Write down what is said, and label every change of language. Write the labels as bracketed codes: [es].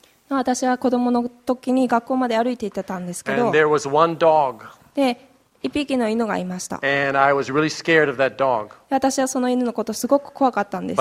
[ja] 私は子供の時に学校まで歩いていってたんですけど、 [en] And there was one dog. [ja] で、一匹の犬がいました。 [en] And I was really scared of that dog. [ja] 私はその犬のことすごく怖かったんです。